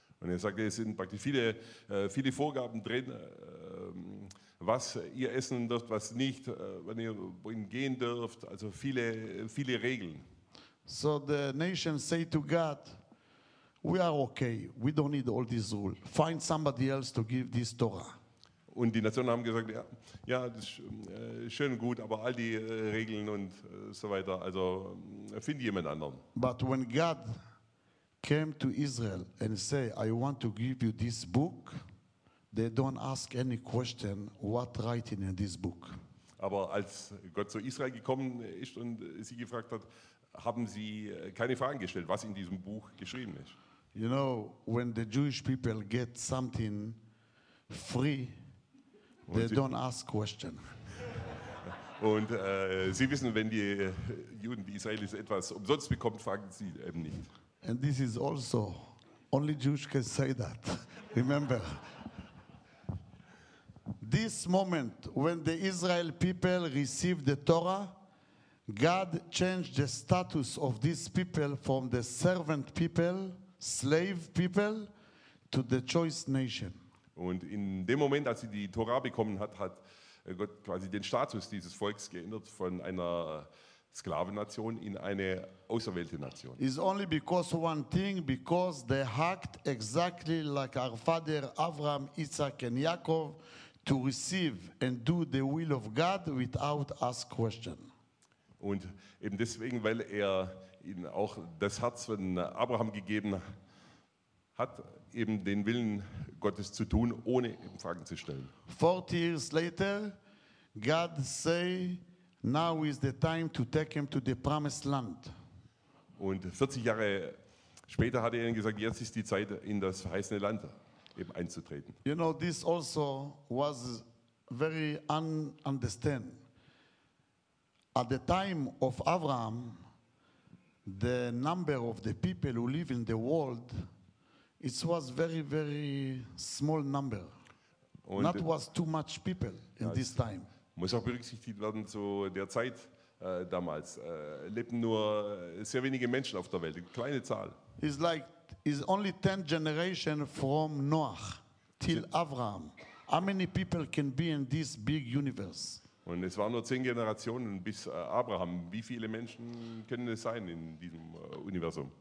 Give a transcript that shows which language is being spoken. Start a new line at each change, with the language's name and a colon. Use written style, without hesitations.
German: Und er sagte, es sind praktisch viele, viele Vorgaben drin, was ihr essen dürft, was nicht, wenn ihr wohin gehen dürft, also viele, viele Regeln.
English: So the nation say to God, we are okay, we don't need all these rules. Find somebody else to give this Torah.
German: Und die Nationen haben gesagt, ja, ja, das ist schön und gut, aber all die Regeln und so weiter, also finde jemand anderen.
English: But when God came to Israel and say, I want to give you this book, they don't ask any question what writing in this book.
German: Aber als Gott zu Israel gekommen ist und sie gefragt hat, haben sie keine Fragen gestellt, was in diesem Buch geschrieben ist.
English: You know, when the Jewish people get something free, they don't ask questions.
German: Und sie wissen, wenn die Juden, die Israelis etwas umsonst bekommen, fragen sie eben nicht.
English: And this is also, only Jews can say that. Remember, this moment when the Israel people received the Torah, God changed the status of these people from the servant people, slave people, to the choice nation.
German: Und in dem Moment, als sie die Torah bekommen hat, hat Gott quasi den Status dieses Volks geändert von einer Sklavennation in eine auserwählte Nation.
English: It's only because one thing, because they acted exactly like our father Abraham, Isaac and Jacob to receive and do the will of God without ask question.
German: Und eben deswegen, weil er ihnen auch das Herz von Abraham gegeben hat, eben den Willen Gottes zu tun, ohne eben Fragen zu stellen.
English: 40 years later, God say, now is the time to take him to the promised land.
German: Und 40 Jahre später hat er ihnen gesagt, jetzt ist die Zeit, in das verheißene Land eben einzutreten.
English: You know, this also was very un-understand. At the time of Abraham, the number of the people who live in the world, it was very, very small number.
German: Und
English: not was too much people in this time.
German: Muss auch berücksichtigt werden zu der Zeit damals. Lebten nur sehr wenige Menschen auf der Welt, eine kleine Zahl.
English: It's like, it's only 10 generations from Noah till Abraham. How many people can be in this big universe?
German: Und es waren nur 10 Generationen bis Abraham. Wie viele Menschen können es sein in diesem Universum?